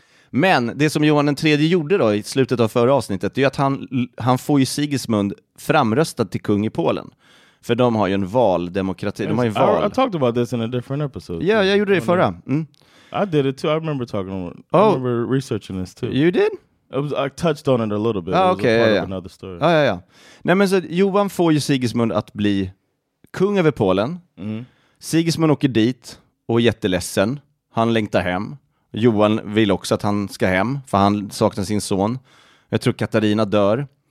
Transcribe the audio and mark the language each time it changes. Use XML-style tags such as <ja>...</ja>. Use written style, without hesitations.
<sv>Men det som Johan den tredje gjorde då i slutet av förra avsnittet, det är att han får ju Sigismund framröstad till kung i Polen. För de har ju en valdemokrati. De har ju val.</sv> <en>I talked about this in a different episode.</en> <sv>Ja, jag gjorde det förra. Mm.</sv> <en>I did it too. I remember talking about it. Oh. I remember researching this too. You did? I touched on it a little bit. It was a part of another story.</en> <sv>Ja, ja, ja. Nej, men så Johan får ju Sigismund att bli kung över Polen. Mm. Sigismund åker dit och är jätteledsen. Han längtar hem. Johan vill också att han ska hem. För han saknar sin son. Jag tror Katarina dör.</sv>